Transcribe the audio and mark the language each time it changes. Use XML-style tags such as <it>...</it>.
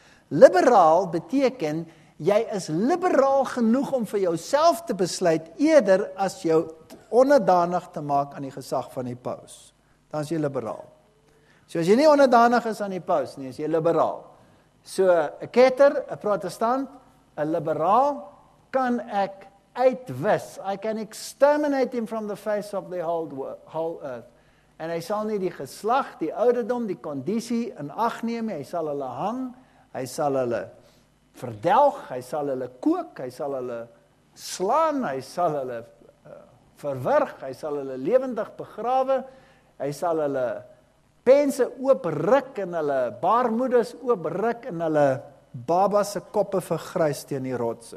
<af>Liberaal beteken jy is liberaal genoeg om vir jouself te besluit eerder as jou onderdanig te maak aan die gesag van die paus. Dan is jy liberaal. So as jy nie onderdanig is aan die paus nie, is jy liberaal. So 'n ketter, 'n protestant, 'n liberaal kan ek uitwis.</af> <en>I can exterminate him from the face of the whole earth.</en> <af>En hy sal nie die geslag, die ouderdom, die kondisie in ag neem nie. Hy sal hulle hang, hy sal hulle verdelg, hy sal hulle kook, hy sal hulle slaan, hy sal hulle verwerg, hy sal hulle lewendig begrawe, hy sal hulle pense oopruk en hulle baarmoeders oopruk en hulle baba se koppe vergrys teen die rotse.</af>